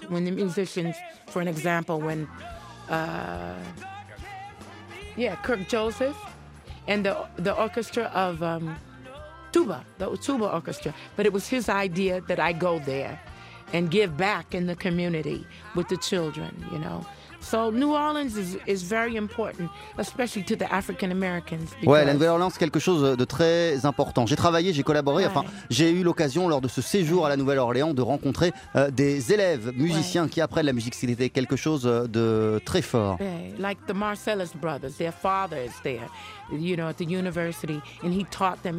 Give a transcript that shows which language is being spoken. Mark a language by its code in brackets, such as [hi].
[en] When the musicians, for an example, when Kirk Joseph and the orchestra of tuba orchestra, but it was his idea that I go there and give back in the community with the children, you know. So New Orleans is very important, especially to the African Americans. [fr] Ouais, la Nouvelle-Orléans, quelque chose de très important. J'ai travaillé, j'ai collaboré, enfin, j'ai eu l'occasion lors de ce séjour à la Nouvelle-Orléans de rencontrer des élèves musiciens qui apprennent la musique. C'était quelque chose de très fort. [en] Like the Marcellus brothers, their father is there, you know, at the university, and he taught them.